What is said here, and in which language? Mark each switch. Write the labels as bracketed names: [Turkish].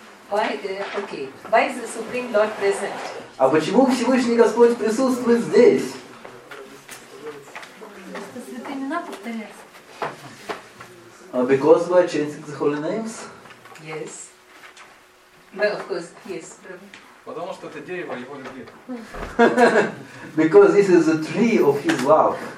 [English] Why is the Supreme Lord present? [Russian] А почему Всевышний Господь присутствует здесь? Просто святые имена повторяются. [English] Because we are chanting the holy names? Yes. But of course, yes. [Russian] Потому что это дерево его любви. [English] Because this is a tree of his love.